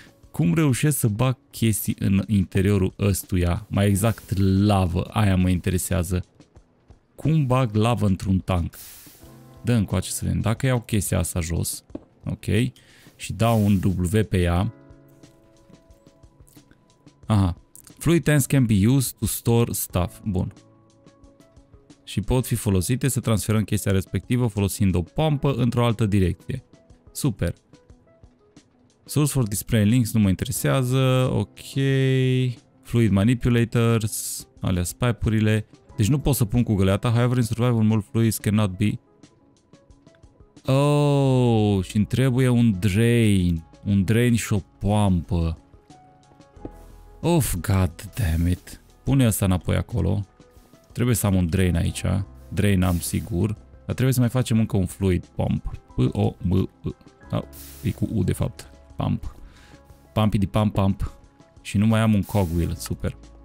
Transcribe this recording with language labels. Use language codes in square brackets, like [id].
[ro] Cum reușesc să bag chestii în interiorul ăstuia? Mai exact, lavă, aia mă interesează. Cum bag lavă într-un tank? Dă încoace să vedem. Dacă iau chestia asta jos, ok, și dau un W pe ea. Aha. [en] Fluid tanks can be used to store stuff. [ro] Bun. Și pot fi folosite să transferăm chestia respectivă folosind o pompă într-o altă direcție. Super. [en] Source for display links [ro] nu mă interesează. [en] Ok. Fluid manipulators. [ro] Alea pipe-urile. Deci nu pot să pun cu găleata. [en] However, in survival mode fluids cannot be. [ro] Oh, și îmi trebuie un drain. Un drain și o pompă. Of, [en] god damn it. [ro] Pune asta înapoi acolo. Trebuie să am un drain aici, drain am sigur, dar trebuie să mai facem încă un fluid pump, P-O-M-P, e cu U de fapt, pump, pumpidi pump pump, și nu mai am un cogwheel, super.